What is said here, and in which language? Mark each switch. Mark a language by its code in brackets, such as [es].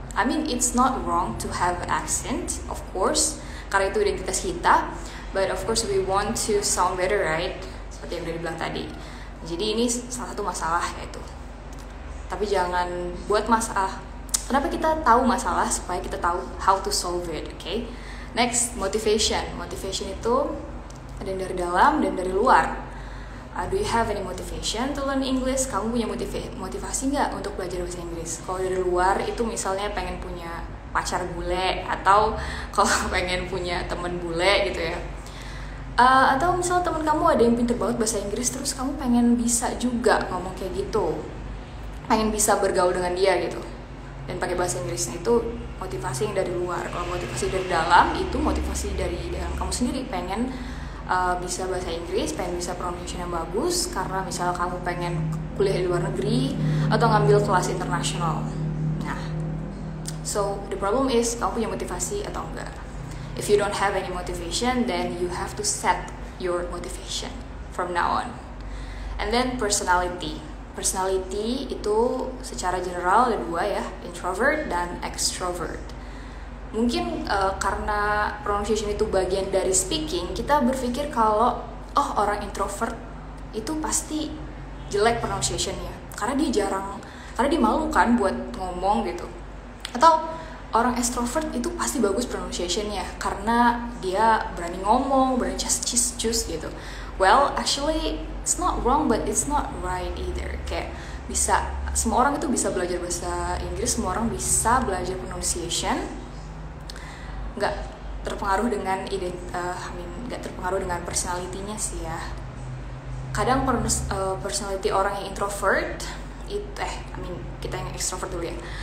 [en] I mean it's not wrong to have accent, of course, [id] karena itu identitas kita. [en] But of course we want to sound better, right? [id] Seperti yang udah dibilang tadi. Jadi ini salah satu masalah yaitu. Tapi jangan buat masalah. Kenapa kita tahu masalah? Supaya kita tahu [en] how to solve it, okay? Next, motivation. [id] Motivation itu ada dari dalam dan dari luar. [en] Do you have any motivation to learn English? [id] Kamu punya motivasi nggak untuk belajar bahasa Inggris? Kalau dari luar itu misalnya pengen punya pacar bule, atau kalau pengen punya teman bule gitu ya. Atau misalnya teman kamu ada yang pintar banget bahasa Inggris, terus kamu pengen bisa juga ngomong kayak gitu, pengen bisa bergaul dengan dia gitu dan pakai bahasa Inggrisnya, itu motivasi yang dari luar. Kalau motivasi dari dalam, itu motivasi dari dalam kamu sendiri, pengen bisa bahasa Inggris, pengen bisa pronunciation yang bagus karena misalnya kamu pengen kuliah di luar negeri atau ngambil kelas internasional. Nah, [en] so the problem is [id] kamu punya motivasi atau enggak. [en] If you don't have any motivation, then you have to set your motivation from now on. [id] And then personality. Personality itu secara general ada dua ya, introvert dan extrovert. Mungkin karena pronunciation itu bagian dari speaking, kita berpikir kalau oh orang introvert itu pasti jelek pronunciation-nya. Karena dia malu kan buat ngomong gitu. Atau orang extrovert itu pasti bagus pronunciation-nya karena dia berani ngomong, berani cius-cius gitu. [en] Well, actually it's not wrong but it's not right either. [id] Kayak bisa semua orang itu bisa belajar bahasa Inggris, semua orang bisa belajar pronunciation. Enggak terpengaruh dengan enggak terpengaruh dengan personality-nya sih ya. Kadang personality orang yang introvert itu kita yang extrovert dulu ya.